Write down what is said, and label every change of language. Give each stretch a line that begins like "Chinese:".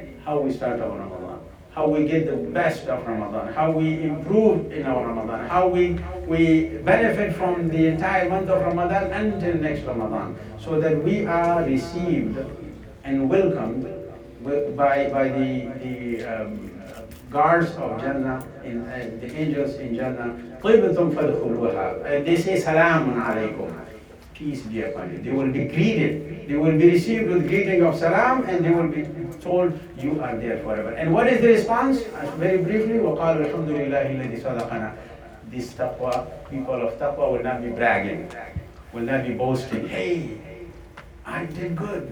English: how we start our Ramadan, how we get the best of Ramadan, how we improve in our Ramadan, how we benefit from the entire month of Ramadan until next Ramadan, so that we are received and welcomed by the guards of Jannah, the angels in Jannah.
Arabic: طِبْتُمْ فَدْخُلُوهَا,
English: and they say,
Arabic: سَلَامٌ عَلَيْكُمْ,
English: peace be upon you. They will be greeted. They will be received with greeting of salam, and they will be told, you are there forever. And what is the response? Very briefly,
Arabic: وَقَالُوا الْحَمْدُ لِلَّهِ الَّذِي صَدَقَنَا.
English: This taqwa, people of taqwa will not be bragging, will not be boasting, hey, I did good.